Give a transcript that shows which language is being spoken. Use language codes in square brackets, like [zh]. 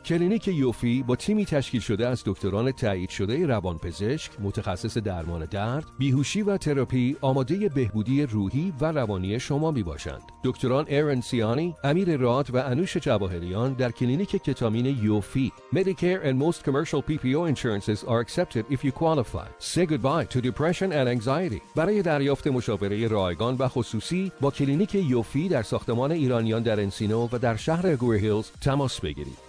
[fa] کلینیک یوفی با تیمی تشکیل شده از دکتران تایید شده روانپزشک متخصص درمان درد، بیهوشی و تراپی آماده بهبودی روحی و روانی شما میباشند. دکتران ارن سیانی، امیر راد و انوش جواهریان در کلینیک کتامین یوفی. [en] Medicare and most commercial PPO insurances are accepted if you qualify. Say goodbye to depression and anxiety. [fa] برای دریافت مشاوره رایگان و خصوصی با کلینیک یوفی در ساختمان ایرانیان در انسینو و در شهر گور هیلز تماس بگیرید.